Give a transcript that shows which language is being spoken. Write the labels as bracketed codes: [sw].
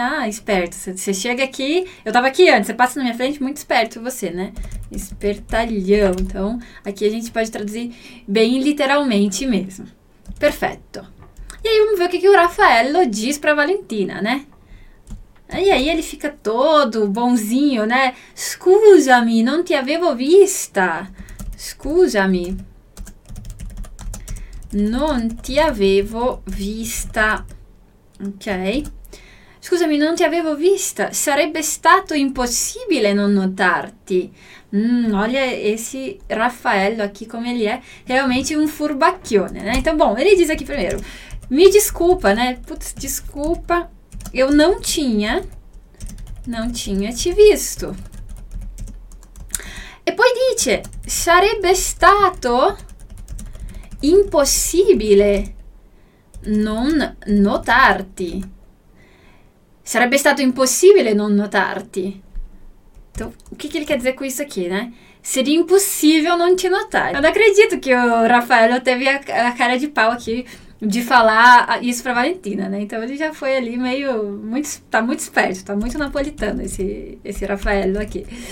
[pt] Ah, esperto, você chega aqui... Eu tava aqui antes, você passa na minha frente, muito esperto você, né? Espertalhão. Então, aqui a gente pode traduzir bem literalmente mesmo. Perfeito. E aí, vamos ver o que o Raffaello diz pra Valentina, né? E aí, ele fica todo bonzinho, né? [it] Scusami, non ti avevo vista. Scusami. Non ti avevo vista. Ok. Scusami, non ti avevo vista. Sarebbe stato impossibile non notarti. [pt] Olha esse Raffaello aqui, como ele é realmente um furbacchione, né? Então, bom, ele diz aqui primeiro. Me desculpa, né? Putz, desculpa. Eu não tinha te visto. [it] E poi dice, sarebbe stato impossibile non notarti. Sarebbe stato impossibile non notarti. [pt] Então, o que ele quer dizer com isso aqui, né? Seria impossível não te notar. Eu não acredito que o Raffaello teve a cara de pau aqui de falar isso pra Valentina, né? Então, ele já foi ali meio... tá muito esperto, tá muito napolitano esse Raffaello aqui.